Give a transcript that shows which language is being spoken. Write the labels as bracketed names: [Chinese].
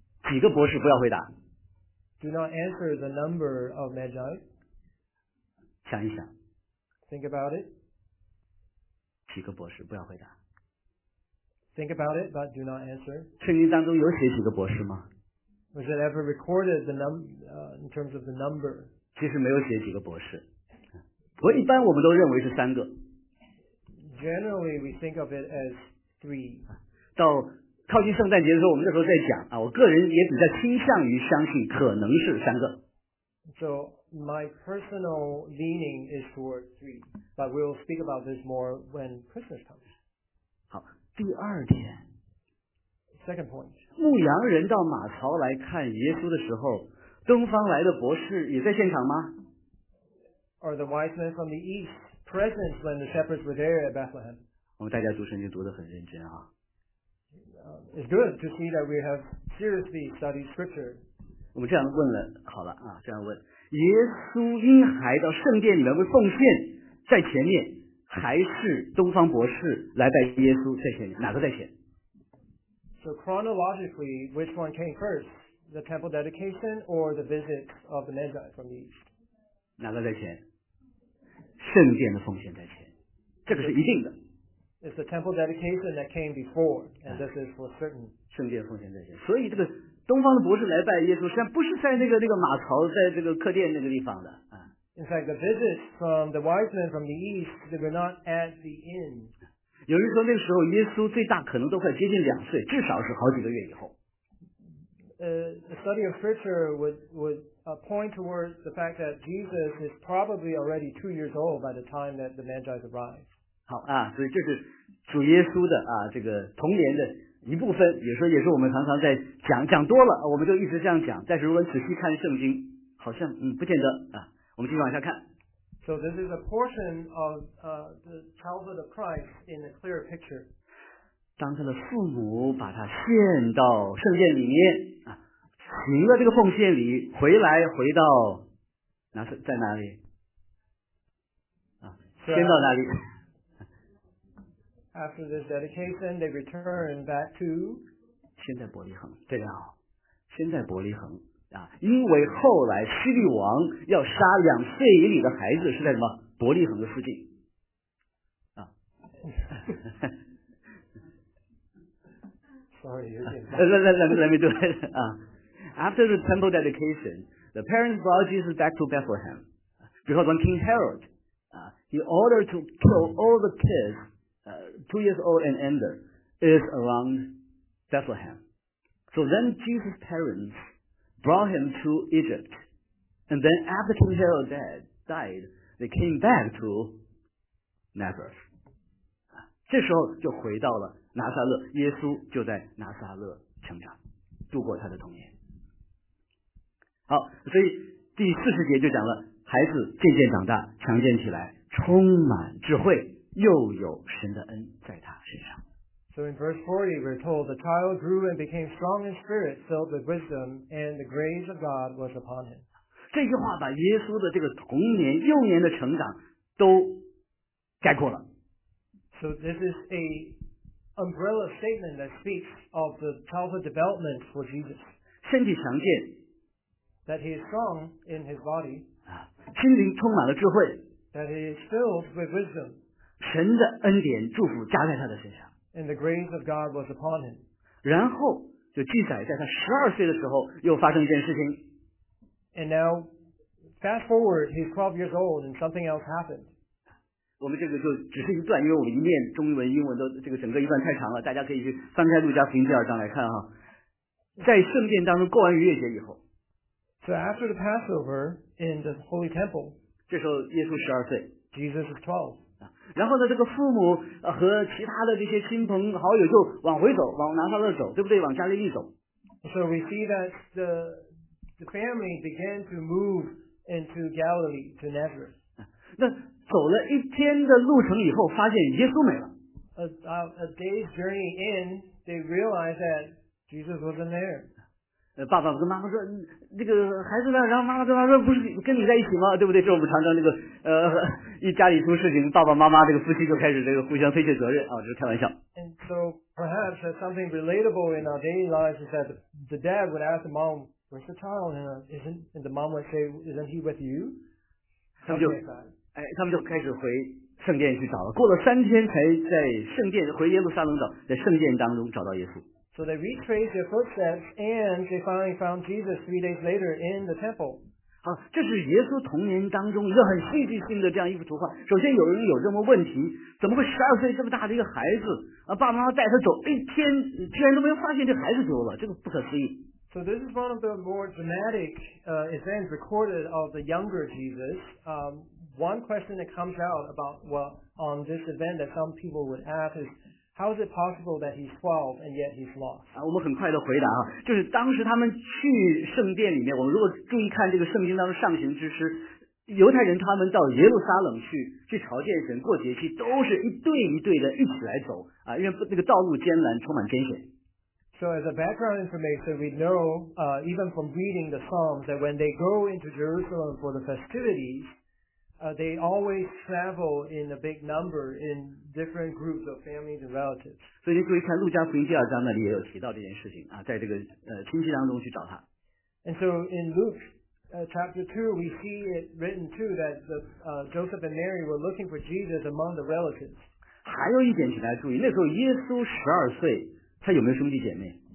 [Chinese] 几个博士不要回答。 [English] Do not answer the number of magi. [Chinese] 想一想。 [English] Think about it. [Chinese] 几个博士不要回答。 [English] Think about it, but do not answer. [Chinese] 圣经当中有写几个博士吗？ [English] Was it ever recorded the in terms of the number? [Chinese] 其实没有写几个博士，我一般我们都认为是三个。 [English] Generally, we think of it as three. [Chinese] 到靠近圣诞节的时候，我们那时候在讲啊，我个人也比较倾向于相信可能是三个。 [English] So my personal leaning is toward three, but we'll speak about this more when Christmas comes. [Chinese] 好，第二点。 [English] Second point. [Chinese] 牧羊人到马槽来看耶稣的时候，东方来的博士也在现场吗 [English] ？Are the wise men from the east present when the shepherds were there at Bethlehem？ [Chinese] 我们大家读圣经读得很认真啊。 [English] It's good to see that we have seriously studied scripture. [Chinese] 我们这样问了，好了啊，这样问：耶稣婴孩到圣殿里面为奉献在前面，还是东方博士来拜耶稣在前面？哪个在前？ [English] So chronologically, which one came first, the temple dedication or the visit of the Magi from the East? [Chinese] 哪个在前？圣殿的奉献在前，这个是一定的。 It's the temple dedication that came before, and this is for certain. 圣殿奉献在前，所以这个东方的博士来拜耶稣，实际上不是在那个马槽，在这个客店那个地方的。 In fact, the visits from the wise men from the East, they were not at the inn. 有人说那个时候耶稣最大可能都快接近两岁，至少是好几个月以后。 A study of scripture would point towards the fact that Jesus is probably already 2 years old by the time that the Magi arrive. 好啊，所以这是主耶稣的啊这个童年的一部分，有时候也是我们常常在讲多了，我们就一直这样讲。但是如果仔细看圣经，好像不见得啊。我们继续往下看。 [English] So this is a portion of the childhood of Christ in a clearer picture. [Chinese] 当他的父母把他献到圣殿里面啊，行了这个奉献礼，回到那是在哪里？啊，先到哪里 [English] ？After this dedication, they return back to. [Chinese] 先在伯利恒，对了，先在伯利恒。啊，因为后来希律王要杀两岁以里的孩子是在什么伯利恒的附近啊 [English] Sorry, let me do it. After the temple dedication, the parents brought Jesus back to Bethlehem. Because when King Herod, he ordered to kill all the kids, 2 years old and under, is around Bethlehem. So then Jesus' parents,brought him to Egypt. And then after King Herod died, they came back to Nazareth. [Chinese] 这时候就回到了拿撒勒，耶稣就在拿撒勒成长，度过他的童年。好，所以第四十节就讲了，孩子渐渐长大，强健起来，充满智慧，又有神的恩在他身上。 [English] So in verse 40, we're told the child grew and became strong in spirit, filled with wisdom, and the grace of God was upon him. [Chinese] 这句话把耶稣的这个童年、幼年的成长都概括了。 [English] So this is a umbrella statement that speaks of the childhood development for Jesus. [Chinese] 身体强健。 [English] That he is strong in his body. [Chinese] 心灵充满了智慧。 [English] That he is filled with wisdom. [Chinese] 神的恩典祝福加在他的身上。 [English] And the grace of God was upon him. [Chinese] 然后就记载在他十二岁的时候又发生一件事情。 [English] And now, fast forward, he's 12 years old and something else happened. [Chinese] 我们这个就只是一段，因为我们一念中文英文的这个整个一段太长了，大家可以去翻开路加福音第二章来看哈。在圣殿当中过完逾越节以后， [English] So after the Passover in the Holy Temple, [Chinese] 这时候耶稣十二岁， [English] Jesus is 12. [Chinese] 然后呢这个父母和其他的这些亲朋好友就往回走，往拿撒勒走，对不对？往加利利走。 [English] So we see that the family began to move into Galilee, to Nazareth. [Chinese] 那走了一天的路程以后发现耶稣没了。 [English] A day's journey in, they realized that Jesus wasn't there. [Chinese] 爸爸跟妈妈说那个孩子呢，然后妈妈跟他说不是跟你在一起吗，对不对？这我们常常那个一家里出事情，爸爸妈妈这个夫妻就开始这个互相推卸责任啊，这是开玩笑。 [English] And so perhaps that's something relatable in our daily lives is that the dad would ask the mom, where's the child? And the mom would say, isn't he with you? [Chinese] 他们就开始回圣殿去找了，过了三天才在圣殿回耶路撒冷找，在圣殿当中找到耶稣。 [English] So they retraced their footsteps and they finally found Jesus 3 days later in the temple. [Chinese] 好，这是耶稣童年当中一个很戏剧性的这样一幅图画。首先有人有这么问题，怎么会十二岁这么大的一个孩子，爸爸妈妈带他走一天，居然都没有发现这孩子丢了，这个不可思议。 [English] So this is one of the more dramatic events recorded of the younger Jesus. One question that comes out about, well, on this event that some people would ask is, how is it possible that he's 12 and yet he's lost? [Chinese] 我们很快的回答啊，就是当时他们去圣殿里面，我们如果注意看这个圣经当中上行之诗，犹太人他们到耶路撒冷去朝见神过节期，都是一对一对的一起来走啊，因为那个道路艰难，充满艰险。 [English] So as a background information, we know, even from reading the Psalms, that when they go into Jerusalem for the festivities,they always travel in a big number in different groups of families and relatives. [Chinese] 所以你注意看路加福音第二章那里也有提到这件事情啊，在这个亲戚当中去找他。 [English] And so in Luke chapter 2, we see it written too that the, Joseph and Mary were looking for Jesus among the relatives. [Chinese] 还有一点请大家注意，那时候耶稣十二岁，他有没有兄弟姐妹？